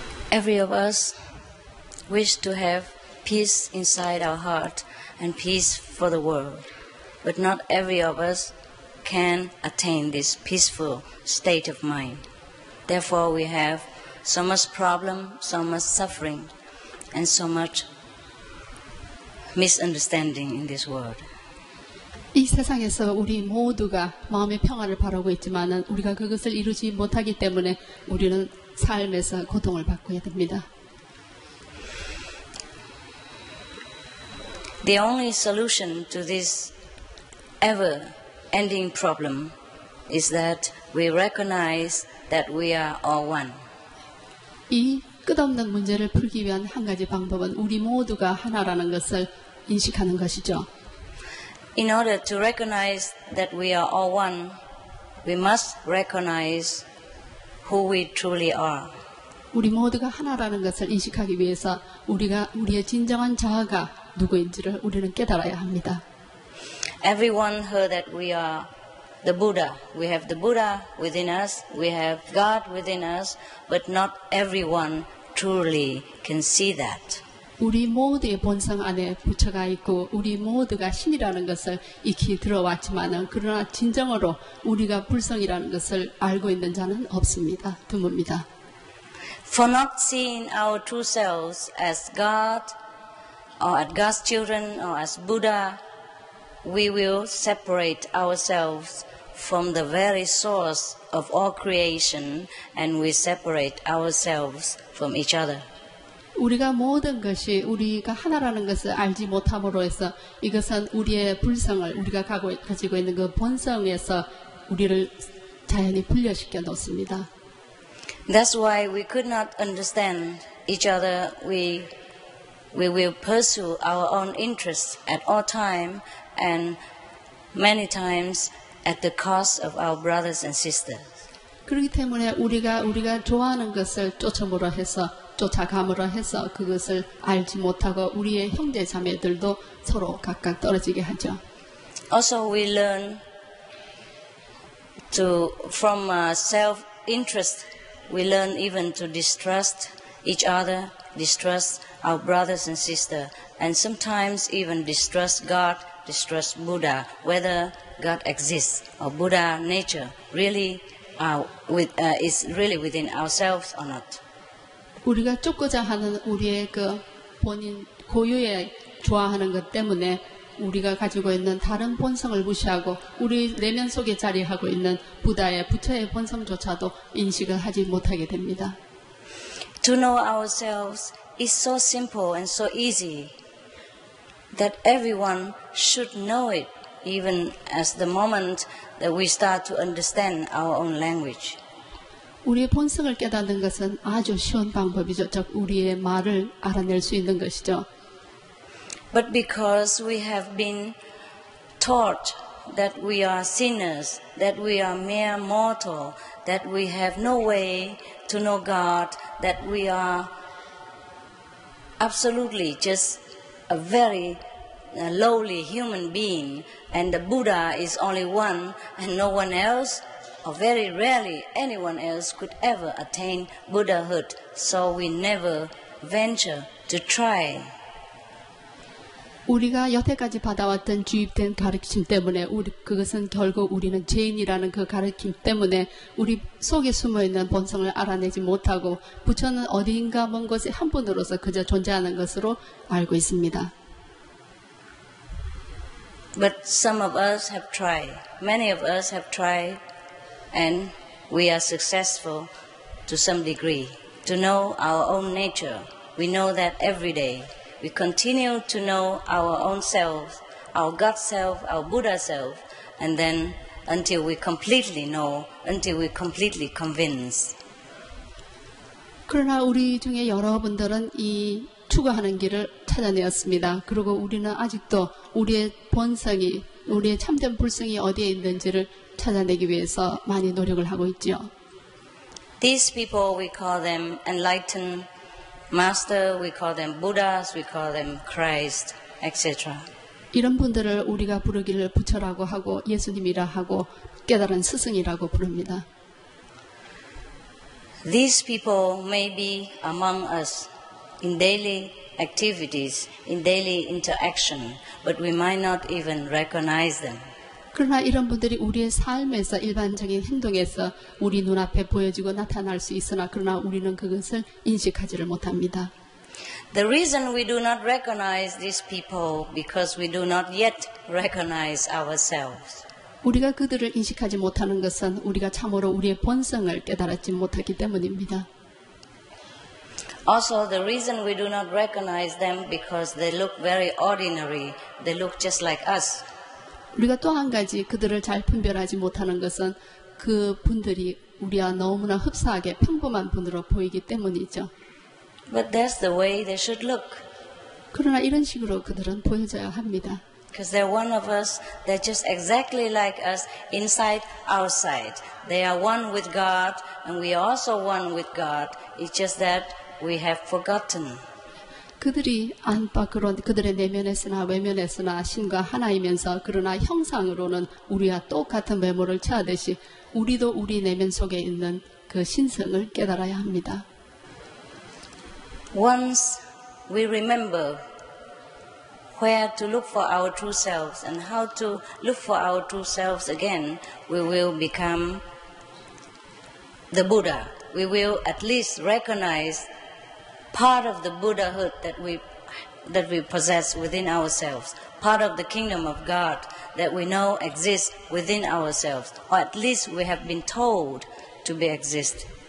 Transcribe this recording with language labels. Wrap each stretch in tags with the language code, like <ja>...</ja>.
<en>Every of us wish to have peace inside our heart and peace for the world, but not every of us can attain this peaceful state of mind. Therefore, we have so much problem, so much suffering, and so much misunderstanding in this world.</en> <ko>이 세상에서 우리 모두가 마음의 평화를 바라고 있지만은 우리가 그것을 이루지 못하기 때문에 우리는 삶에서 고통을 받고 있습니다.</ko> <en>The only solution to this ever-ending problem is that we recognize that we are all one.</en> <ko>이 끝없는 문제를 풀기 위한 한 가지 방법은 우리 모두가 하나라는 것을 인식하는 것이죠.</ko> <en>In order to recognize that we are all one, we must recognize who we truly are.</en> <ko>우리 모두가 하나라는 것을 인식하기 위해서 우리가 우리의 진정한 자아가 누구인지를 우리는 깨달아야 합니다.</ko> <en>Everyone heard that we are the Buddha. We have the Buddha within us. We have God within us. But not everyone truly can see that.</en> <ko>우리 모두의 본성 안에 부처가 있고 우리 모두가 신이라는 것을 익히 들어왔지만은 그러나 진정으로 우리가 불성이라는 것을 알고 있는 자는 없습니다. 드뭅니다.</ko> <en>For not seeing our true selves as God or as God's children or as Buddha, we will separate ourselves from the very source of all creation and we separate ourselves from each other.</en> <ko>우리가 모든 것이 우리가 하나라는 것을 알지 못함으로 해서 이것은 우리의 불성을 우리가 가지고 있는 그 본성에서 우리를 자연히 분리시켜 놓습니다.</ko> <en>That's why we could not understand each other. We will pursue our own interests at all time and many times at the cost of our brothers and sisters.</en> <ko>그렇기 때문에 우리가 좋아하는 것을 쫓음으로 해서 쫓아감으로 해서 그것을 알지 못하고 우리의 형제 자매들도 서로 각각 떨어지게 하죠.</ko> <en>Also we learn to from self interest we learn even to distrust each other, distrust our brothers and sisters and sometimes even distrust God, distrust Buddha whether God exists or Buddha nature really is really within ourselves or not.</en> <ko>우리가 쫓고자 하는 우리의 그 본인 고유의 좋아하는 것 때문에 우리가 가지고 있는 다른 본성을 무시하고 우리 내면 속에 자리하고 있는 부다의 부처의 본성조차도 인식을 하지 못하게 됩니다.</ko> <en>To know ourselves is so simple and so easy that everyone should know it even as the moment that we start to understand our own language.</en> <ko>우리의 본성을 깨닫는 것은 아주 쉬운 방법이죠. 즉 우리의 말을 알아낼 수 있는 것이죠.</ko> <en>But because we have been taught that we are sinners, that we are mere mortal, that we have no way to know God, that we are absolutely just a very lowly human being, and the Buddha is only one and no one else, or very rarely anyone else could ever attain Buddhahood, so we never venture to try.</en> <ko>우리가 여태까지 받아왔던 주입된 가르침 때문에 그것은 결국 우리는 죄인이라는 그 가르침 때문에 우리 속에 숨어있는 본성을 알아내지 못하고 부처는 어딘가 먼 곳에 한 분으로서 그저 존재하는 것으로 알고 있습니다.</ko> <en>But some of us have tried. Many of us have tried. And we are successful to some degree to know our own nature. We know that every day. We continue to know our own self, our God self, our Buddha self, and then until we completely know, until we completely convince.</en> <ko>그러나 우리 중에 여러분들은 이 추구하는 길을 찾아내었습니다. 그리고 우리는 아직도 우리의 본성이, 우리의 참된 불성이 어디에 있는지를 찾아내기 위해서 많이 노력을 하고 있지요.</ko> <en>These people we call them enlightened Master, we call them Buddhas, we call them Christ, etc.</en> <ko>이런 분들을 우리가 부르기를 부처라고 하고 예수님이라 하고 깨달은 스승이라고 부릅니다.</ko> <en>These people may be among us in daily activities, in daily interaction, but we might not even recognize them.</en> <ko>그러나 이런 분들이 우리의 삶에서 일반적인 행동에서 우리 눈앞에 보여지고 나타날 수 있으나 그러나 우리는 그것을 인식하지를 못합니다.</ko> <en>The reason we do not recognize these people because we do not yet recognize ourselves.</en> <ko>우리가 그들을 인식하지 못하는 것은 우리가 참으로 우리의 본성을 깨달았지 못하기 때문입니다.</ko> <en>Also, the reason we do not recognize them because they look very ordinary. They look just like us.</en> <ko>우리가 또 한 가지 그들을 잘 분별하지 못하는 것은 그 분들이 우리와 너무나 흡사하게 평범한 분으로 보이기 때문이죠.</ko> <en>But that's the way they should look.</en> <ko>그러나 이런 식으로 그들은 보여져야 합니다.</ko> <en>Because they're one of us. They're just exactly like us, inside, outside. They are one with God, and we are also one with God. It's just that we have forgotten.</en> <ko>그들이 안팎으로 그들의 내면에서나 외면에서나 신과 하나이면서 그러나 형상으로는 우리와 똑같은 외모를 취하듯이 우리도 우리 내면 속에 있는 그 신성을 깨달아야 합니다.</ko> <en>Once we remember where to look for our true selves and how to look for our true selves again, we will become the Buddha. We will at least recognize part of the Buddhahood that we possess within ourselves, part of the kingdom of God that we know exists within ourselves, or at least we have been told to be exist.</en>